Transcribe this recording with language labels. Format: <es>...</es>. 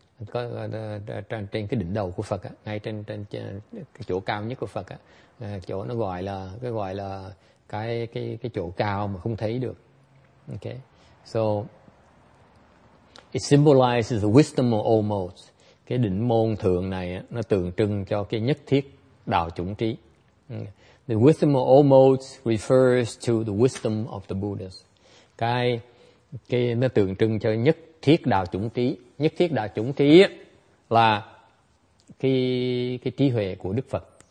<vi>Có trên cái đỉnh đầu của Phật á, ngay trên cái chỗ cao nhất của Phật á, chỗ nó gọi là cái chỗ cao mà không thấy được. Okay.</vi> <en>So it symbolizes the wisdom of all modes.</en> <vi>Cái đỉnh môn thượng này nó tượng trưng cho cái nhất thiết đạo chủng trí.</vi> <en>The wisdom of all modes refers to the wisdom of the Buddhas.</en> <vi>Cái nó tượng trưng cho nhất thiết đạo chủng trí. Nhất thiết đạo chủng trí là cái trí huệ của Đức Phật.</vi>